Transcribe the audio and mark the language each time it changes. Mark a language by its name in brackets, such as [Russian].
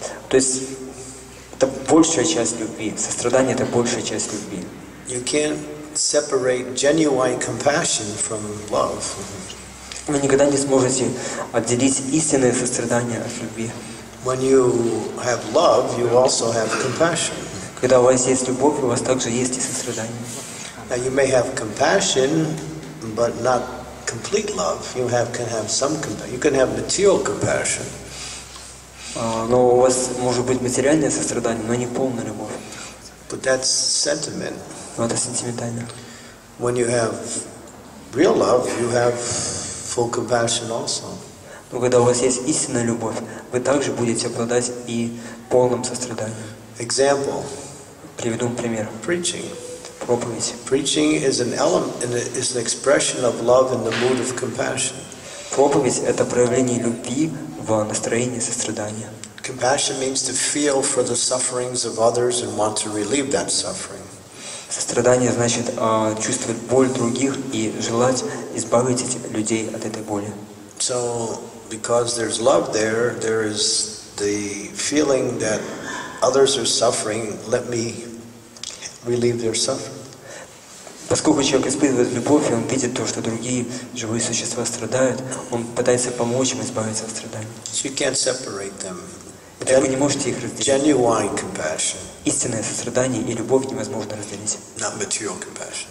[Russian] Это большая часть любви. Сострадание это большая часть любви. [English] You can't separate genuine compassion from love. [Russian] Вы никогда не сможете отделить истинное сострадание от любви. [English] When you have love, you also have compassion. [Russian] Когда у вас есть любовь, у вас также есть и сострадание. [English] Now you may have compassion, but not complete love. You can have some compassion. You can have material compassion. [Russian] Но у вас может быть материальное сострадание, но не полная любовь. [English] But that's sentiment. [Russian] Но это сентиментально. [English] When you have real love, you have full compassion also. [Russian] Но когда у вас есть истинная любовь, вы также будете обладать и полным состраданием. [English] Example. [Russian] Приведу пример. [English] Preaching. [Russian] проповедь. [English] Preaching is an element, is an expression of love in the mood of compassion. [Russian] Проповедь — это проявление любви в настроении сострадания. [English] Compassion means to feel for the sufferings of others and want to relieve that suffering. [Russian] Сострадание значит чувствовать боль других и желать избавить людей от этой боли. [English] So, because there's love there, there is the feeling that others are suffering, let me relieve their suffering. [Russian] Поскольку человек испытывает любовь, и он видит то, что другие живые существа страдают, он пытается помочь им избавиться от страданий. [English] So you can't separate them. [Russian] Это вы не можете их разделить. [English] Genuine compassion. [Russian] Истинное сострадание и любовь невозможно разделить. [English] Not material compassion.